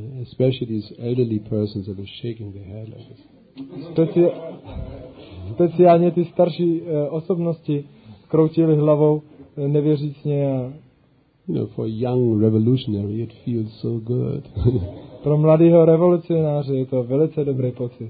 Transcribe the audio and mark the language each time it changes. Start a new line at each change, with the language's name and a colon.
English: Especially these elderly persons that were shaking their hair like this.
Czech: Speciálně ty starší osobnosti kroutily hlavou nevěřícně a
English: you know, for young revolutionary it feels so good.
Czech: Pro mladého revolucionáře je to velice dobrý pocit.